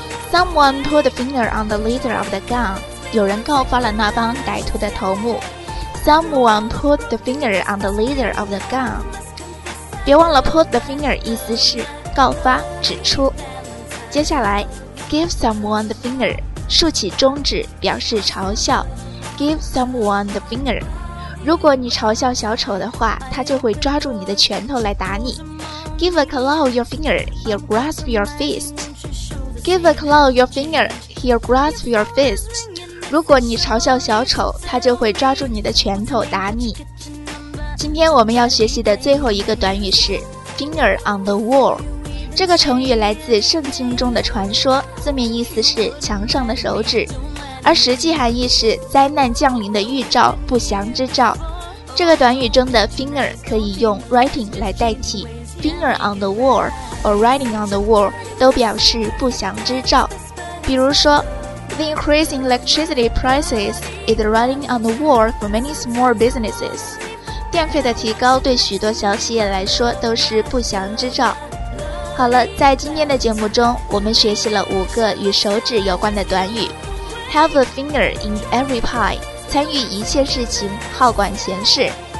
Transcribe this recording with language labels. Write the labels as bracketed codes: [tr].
[en] Someone put the finger on the leader of the gang. [zh] 有人告发了那帮歹徒的头目。 [en] Someone put the finger on the leader of the gang. [zh] 别忘了 put the finger 意思是告发、指出。接下来 give someone the finger， 竖起中指表示嘲笑。 [en] Give someone the finger. [zh] 如果你嘲笑小丑的话，他就会抓住你的拳头来打你。 [en] Give a claw your finger, he'll grasp your fist. Give a claw your finger, he'll grasp your fist. [zh] 如果你嘲笑小丑，他就会抓住你的拳头打你。今天我们要学习的最后一个短语是 finger on the wall. 这个成语来自圣经中的传说，字面意思是墙上的手指，而实际含义是灾难降临的预兆、不祥之兆。这个短语中的 finger 可以用 writing 来代替 finger on the wall。 [en] Or writing on the wall 都表示不祥之兆。 [zh] 比如说 [en] The increasing electricity prices is writing on the wall for many small businesses. [zh] 电费的提高对许多小企业来说都是不祥之兆。好了，在今天的节目中，我们学习了五个与手指有关的短语。 [en] Have a finger in every pie， [zh] 参与一切事情，好管闲事。